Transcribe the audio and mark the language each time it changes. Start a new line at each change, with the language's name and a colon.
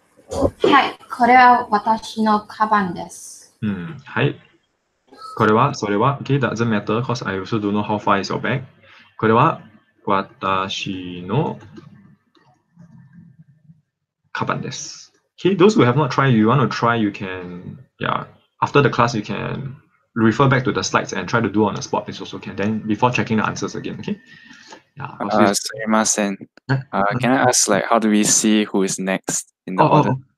Japanese: はい、これは私のカバンです。うん、はい。これは、それは、
English: okay, doesn't matter, because I also don't know how far is your bag.
Japanese: これは、私のカバンです。
English: Okay, those who have not tried, you want to try, you can, yeah, after the class, you can refer back to the slides and try to do on the spot, it's also can, then before checking the answers again, okay? Yeah, sorry, can I ask, like, how do we see who is next in the order?